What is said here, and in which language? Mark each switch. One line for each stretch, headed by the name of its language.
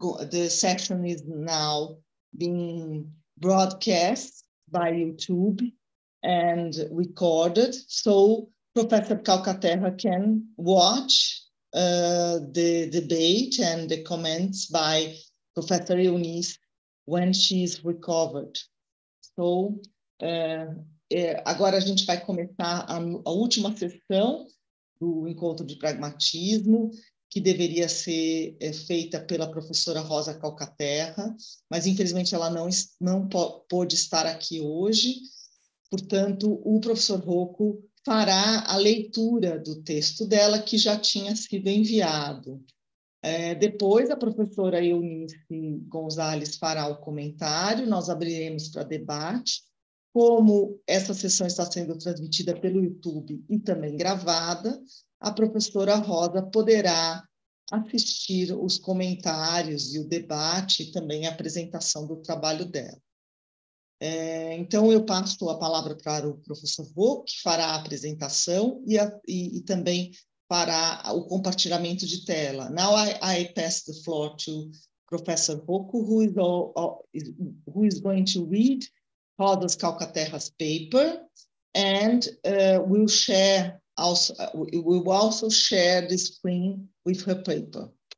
English: The session is now being broadcast by YouTube and recorded, so Professor Calcaterra can watch the debate and the comments by Professor Eunice when she's recovered.
Portuguese: So agora a gente vai começar a última sessão do encontro de pragmatismo, que deveria ser feita pela professora Rosa Calcaterra, mas infelizmente ela não pôde estar aqui hoje. Portanto, o professor Rocco fará a leitura do texto dela, que já tinha sido enviado. Depois, a professora Eunice Gonzalez fará o comentário, nós abriremos para debate. Como essa sessão está sendo transmitida pelo YouTube e também gravada, a professora Rosa poderá assistir os comentários e o debate e também a apresentação do trabalho dela. Então, eu passo a palavra para o professor Vô, que fará a apresentação e também fará o compartilhamento de tela.
English: Now I pass the floor to Professor Vô, who is going to read Rosa's Calcaterra's paper, and we will also share the screen with her paper.